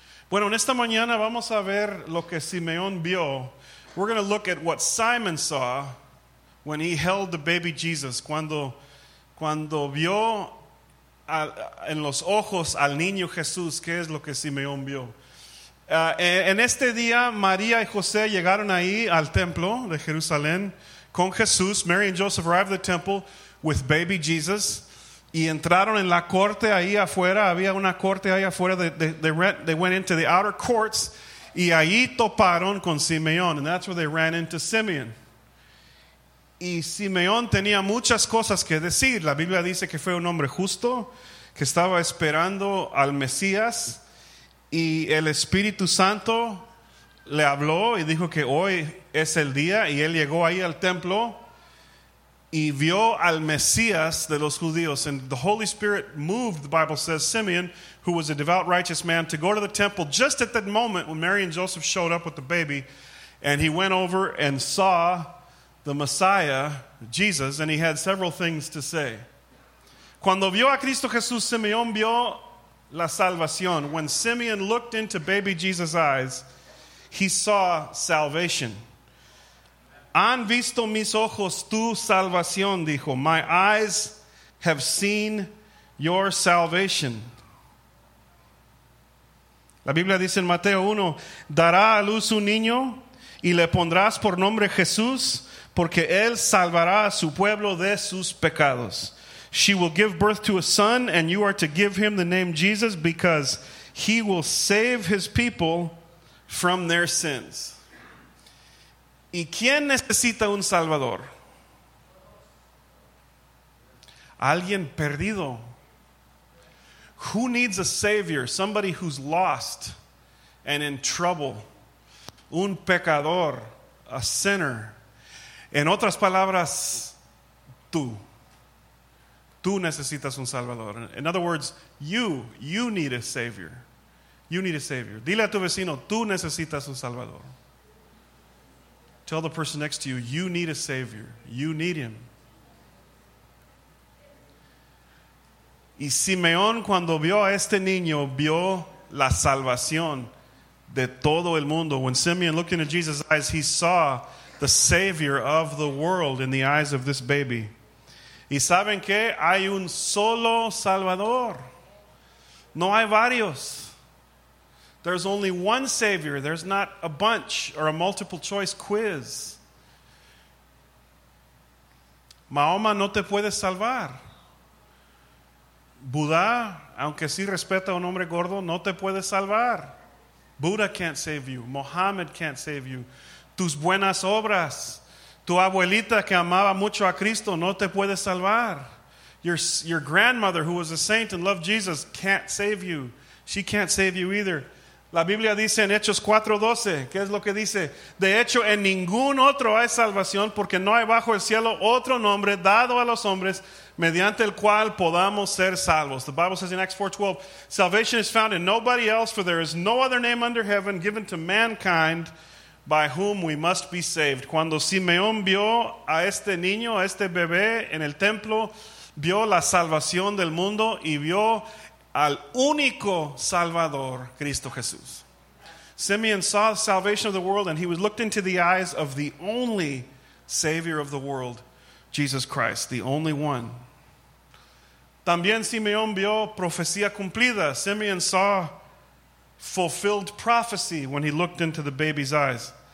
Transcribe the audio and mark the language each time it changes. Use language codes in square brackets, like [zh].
[es] Bueno, en esta mañana vamos a ver lo que Simeón vio. [en] We're going to look at what Simon saw when he held the baby Jesus, [es] cuando vio en los ojos al niño Jesús, ¿qué es lo que Simeón vio? En este día, María y José llegaron ahí al templo de Jerusalén con Jesús. [en] Mary and Joseph arrived at the temple with baby Jesus. [es] Y entraron en la corte ahí afuera. Había una corte ahí afuera. [en] They went into the outer courts. [es] Y ahí toparon con Simeón. [en] And that's where they ran into Simeon. [es] Y Simeón tenía muchas cosas que decir. La Biblia dice que fue un hombre justo, que estaba esperando al Mesías. Y el Espíritu Santo le habló y dijo que hoy es el día. Y él llegó ahí al templo y vio al Mesías de los judíos. [en] And the Holy Spirit moved, the Bible says, Simeon, who was a devout, righteous man, to go to the temple just at that moment when Mary and Joseph showed up with the baby. And he went over and saw the Messiah, Jesus, and he had several things to say. [es] Cuando vio a Cristo Jesús, Simeón vio la salvación. [en] When Simeon looked into baby Jesus' eyes, he saw salvation. [es] Han visto mis ojos tu salvación, dijo. [en] My eyes have seen your salvation. [es] La Biblia dice en Mateo 1, dará a luz un niño y le pondrás por nombre Jesús, porque él salvará a su pueblo de sus pecados. [en] She will give birth to a son, and you are to give him the name Jesus, because he will save his people from their sins. [es] ¿Y quién necesita un salvador? Alguien perdido. [en] Who needs a savior? Somebody who's lost and in trouble. [es] Un pecador, [en] a sinner. [es] En otras palabras, tú. Tú necesitas un salvador. [en] In other words, you need a savior. You need a savior. [es] Dile a tu vecino, tú necesitas un salvador. [en] Tell the person next to you, you need a savior. You need him. [es] Y Simeón, cuando vio a este niño, vio la salvación de todo el mundo. [en] When Simeon looked into Jesus' eyes, he saw the savior of the world in the eyes of this baby. [es] ¿Y saben qué? Hay un solo salvador. No hay varios. [en] There's only one savior. There's not a bunch or a multiple choice quiz. [es] Mahoma no te puede salvar. Buda, aunque sí respeta a un hombre gordo, no te puede salvar. [en] Buddha can't save you. Muhammad can't save you. [es] Tus buenas obras. Tu abuelita que amaba mucho a Cristo no te puede salvar. [en] Your grandmother who was a saint and loved Jesus can't save you. She can't save you either. [es] La Biblia dice en Hechos 4:12, ¿qué es lo que dice? De hecho, en ningún otro hay salvación, porque no hay bajo el cielo otro nombre dado a los hombres mediante el cual podamos ser salvos. [en] The Bible says in Acts 4:12, salvation is found in nobody else, for there is no other name under heaven given to mankind by whom we must be saved. [es] Cuando Simeón vio a este niño, a este bebé en el templo, vio la salvación del mundo y vio al único Salvador, Cristo Jesús. [en] Simeon saw the salvation of the world, and he was looked into the eyes of the only Savior of the world, Jesus Christ, the only one. [es] También Simeón vio profecía cumplida. [en] Simeon saw fulfilled prophecy when he looked into the baby's eyes.